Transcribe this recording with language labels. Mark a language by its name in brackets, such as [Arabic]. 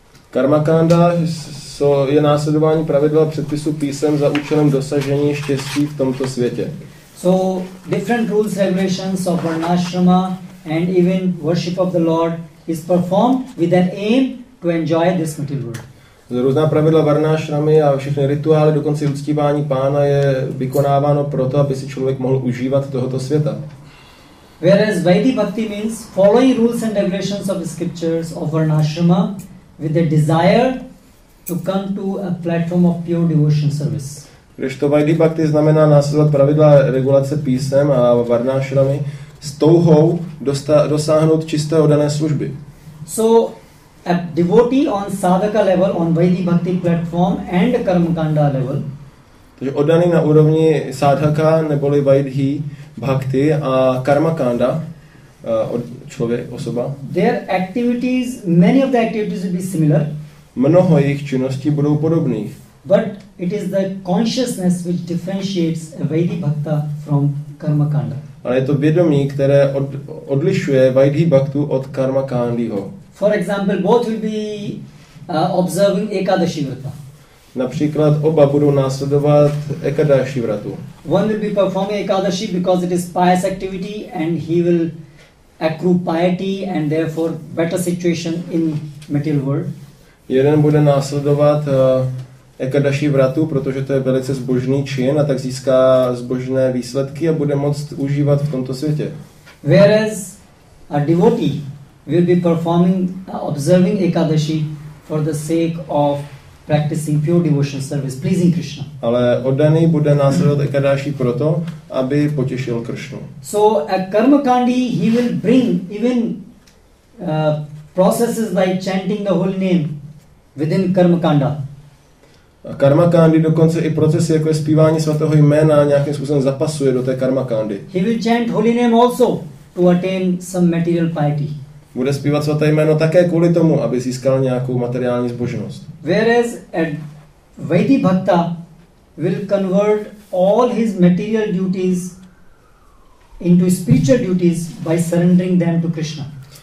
[Czech] Karma kanda je následování pravidel a předpisů písem za účelem dosažení štěstí v tomto světě. [English] So different rules, regulations of varnashrama and even worship of the Lord is performed with an aim to enjoy this material world. [Czech] Různá pravidla varnashramy a všechny rituály, dokonce uctívání pána, je vykonáváno proto, aby si člověk mohl užívat tohoto světa. [English] Whereas vaidhi bhakti means following rules and regulations of the scriptures of varnashrama with a desire to come to a platform of pure devotion service. [Czech] Kdežto vaidhi bhakti znamená následovat pravidla regulace písem a varnashramy s touhou dosáhnout čisté oddané služby. [English] So a devotee on sadhaka level, on vaidhi bhakti platform and karmakanda level. [Czech] Takže oddaný na úrovni sadhaka neboli vaidhi bhakti a karmakanda člověk, osoba. [English] Their activities, many of the activities will be similar. [Czech] Mnoho jejich činností budou podobných. [English] But it is the consciousness which differentiates a vaidhi bhakta from karmakanda. [Czech] Ale je to vědomí, které odlišuje vaidhi bhaktu od karmakandiho. [English] For example, both will be observing Ekadashi Vrata. [Czech] Například oba budou následovat Ekadashi Vratu. [English] One will be performing Ekadashi because it is pious activity and he will accrue piety and therefore better situation in material world. [Czech] Jeden bude následovat Ekadaši vratu, protože to je velice zbožný čin a tak získá zbožné výsledky a bude moct užívat v tomto světě. [English] Whereas a devotee will be performing observing Ekadaši for the sake of practicing pure devotional service, pleasing Krishna. [Czech] Ale oddaný bude následovat Ekadaši proto, aby potěšil Krishnu. [English] So a karmakandi he will bring even processes like chanting the holy name within karmakanda. [Czech] Karmakandi dokonce i procesy jako je zpívání svatého jména nějakým způsobem zapasuje do té karmakandy. [English] He will chant holy name also to attain some material piety. [Czech] Bude zpívat svaté jméno také kvůli tomu, aby získal nějakou materiální zbožnost. [English] Whereas a Vaidhi Bhakta will convert all his material duties into spiritual duties by surrendering them to Krishna.